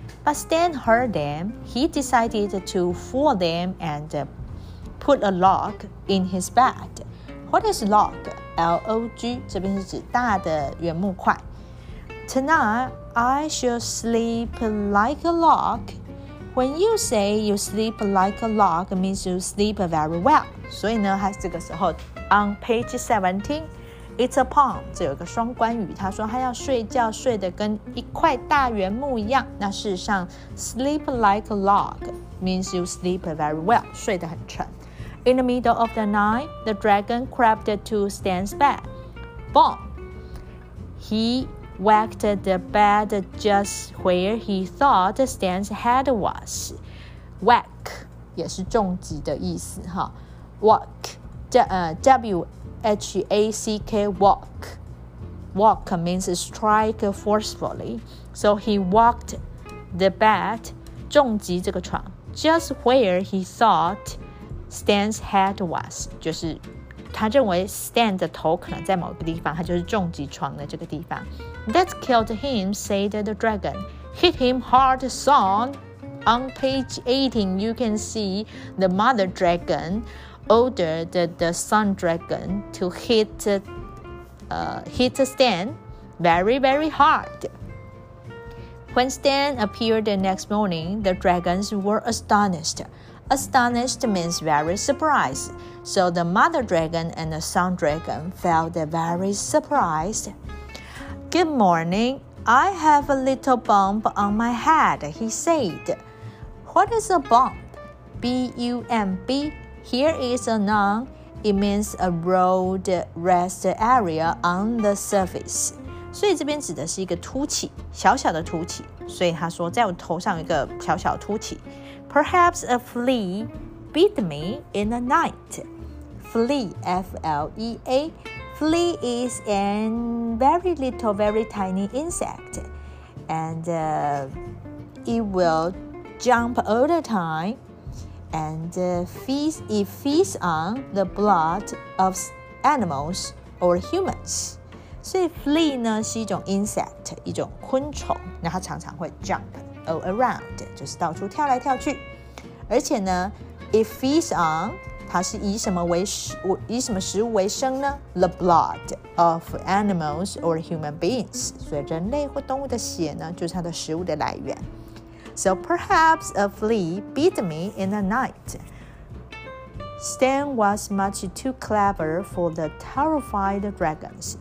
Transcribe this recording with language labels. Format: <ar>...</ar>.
<en>But Stan heard them. He decided to fool them and put a log in his bed. What is log? L-O-G.</en> <zh>这边是指大的原木块。</zh> <en>Tonight I shall sleep like a log. When you say you sleep like a log, it means you sleep very well.</en> <zh>所以呢，他这个时候</zh> <en>on page 17, it's a poem.</en> <zh>这有一个双关语，他说他要睡觉睡得跟一块大圆木一样。那事实上</zh> <en>，sleep like a log means you sleep very well.</en> <zh>睡得很沉。</zh> <en>In the middle of the night, the dragon crept to Stan's bed. Boom! He whacked the bed just where he thought Stan's head was. Whack</en> <zh>也是重击的意思哈。</zh> <en>Whack, W-H-A-C-K, whack. Whack means strike forcefully. So he whacked the bed,</en> <zh>重击这个床。</zh> <en>Just where he thought Stan's head was,</en> <zh>就是他认为 Stan 的头可能在某个地方，他就是重击床的这个地方。</zh> <en>That killed him, said the dragon. Hit him hard, son. On page 18, you can see the mother dragon ordered the son dragon to hit Stan very, very hard. When Stan appeared the next morning, the dragons were astonished. Astonished means very surprised. So the mother dragon and the son dragon felt very surprised. Good morning. I have a little bump on my head, he said. What is a bump? B-U-M-B. Here is a noun. It means a road rest area on the surface.</en> <zh>所以这边指的是一个凸起，小小的凸起。所以他说，在我头上有一个小小凸起。</zh> <en>Perhaps a flea bit me in the night. Flea, F-L-E-A. Flea is a very little, very tiny insect. And it will jump all the time. And it feeds on the blood of animals or humans.</en> <zh>所以 flea 呢是一种 insect， 一种昆虫，那它常常会</zh> <en>jump all around，</en> <zh>就是到处跳来跳去。而且呢</zh> <en>it feeds on，</en> <zh>它是以什么食物为生呢？</zh> <en>The blood of animals or human beings，</en> <zh>所以人类或动物的血呢就是它的食物的来源。</zh> <en>So perhaps a flea bit me in the nightStan was much too clever for the terrified dragons.</en>